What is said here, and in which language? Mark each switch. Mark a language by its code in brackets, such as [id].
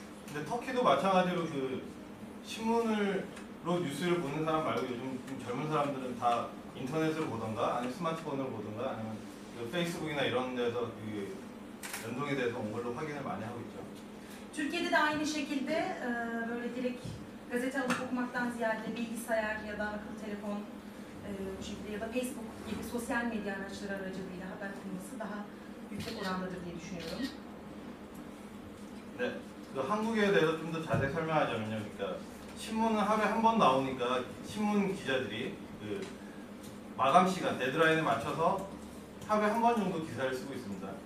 [ko] 근데 터키도 마찬가지로 그 신문으로 뉴스를 보는 사람 말고 요즘 젊은 사람들은 다 인터넷을 보던가 아니면 스마트폰을 보던가 아니면 페이스북이나 이런 데서 연동이 돼서 온 걸로 확인을 많이 하고 있죠. 터키에도 아이니 [tr] şekilde böyle direkt gazete alıp okumaktan ziyade bilgisayar ya da akıllı telefon ya da Facebook gibi sosyal medya araçları aracılığıyla haber bulması daha yüksek orandadır diye düşünüyorum. [ko] 네. 그 한국에 대해서 좀 더 자세히 설명하자면요. 그러니까 신문은 하루에 한 번 나오니까 신문 기자들이 그 마감 시간, 데드라인에 맞춰서 하루에 한 번 정도 기사를 쓰고 있습니다.